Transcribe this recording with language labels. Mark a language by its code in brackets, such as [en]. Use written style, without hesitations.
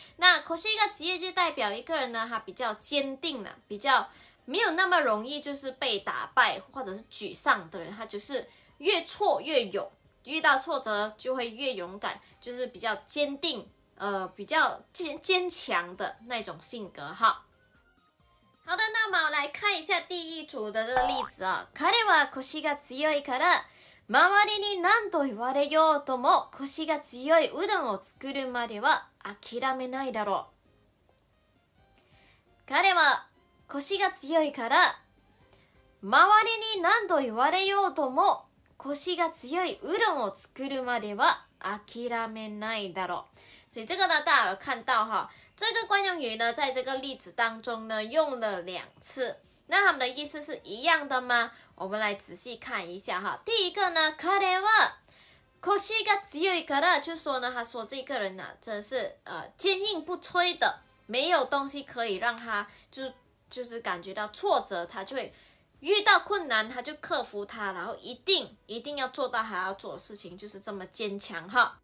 [zh] 那腰が強い就代表一个人呢他比较坚定了，比较没有那么容易就是被打败或者是沮丧的人，他就是越挫越勇，遇到挫折就会越勇敢，就是比较坚定，比较坚强的那种性格哈。好的，那么来看一下第一组的这个例子啊。 [ja] 彼は腰が強いから、周りに何と言われようとも腰が強いうどんを作るまでは諦めないだろう。彼は腰が強いから、周りに何と言われようとも腰が強いうどんを作るまでは諦めないだろう。 [zh] 所以这个呢，大家有看到哈。这个惯用语呢在这个例子当中呢用了两次，那他们的意思是一样的吗？我们来仔细看一下哈。第一个呢， [ja] 彼は腰が強いから， [zh] 就说呢他说这个人呢真是坚硬不摧的，没有东西可以让他就是感觉到挫折，他就会遇到困难他就克服他，然后一定要做到他要做的事情，就是这么坚强哈。